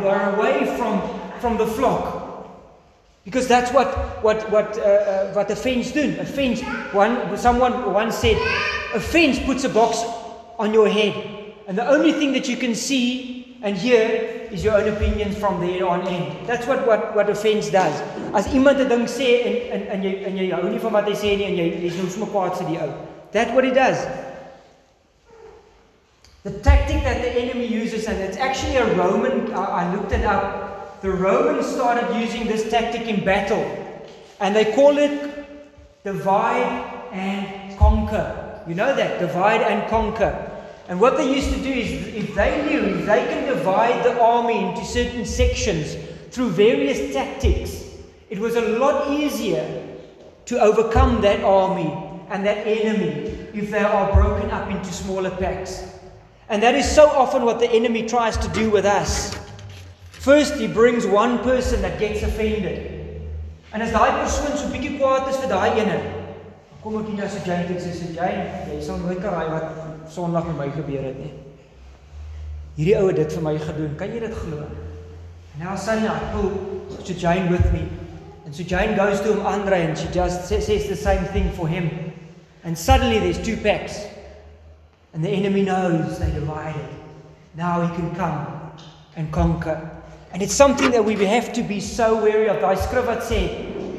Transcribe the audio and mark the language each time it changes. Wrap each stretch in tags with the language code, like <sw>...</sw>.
<en>You are away from the flock. Because that's what offense do. Offense, someone said, offense puts a box on your head. And the only thing that you can see and hear is your own opinions from there on end. That's what offense does.</en> <af>As iemand 'n ding sê en jy hou nie van wat hy sê nie en jy is nou so kwaad sy die ou.</af> <en>That's what it does. The tactic that the enemy uses, and it's actually a Roman, I looked it up. The Romans started using this tactic in battle. And they call it divide and conquer. You know that? Divide and conquer. And what they used to do is, if they knew, if they can divide the army into certain sections through various tactics, it was a lot easier to overcome that army and that enemy if they are broken up into smaller packs. And that is so often what the enemy tries to do with us. First, he brings one person that gets offended. And as</en> <af>daai persoon so bietjie kwaad is vir daai ene, kom ek hier na so Jane en sê, Jane, jy sal nooit karai wat Sondag met my gebeur het nie. Hierdie ou het dit vir my gedoen. Kan jy dit glo?</af> <en>And now suddenly I pull so Jane with me. And so Jane goes to him, Andre, and she just says the same thing for him. And suddenly there's two packs. And the enemy knows they divided. Now he can come and conquer. And it's something that we have to be so wary of.</en> <af>Daai skrif wat sê,</af>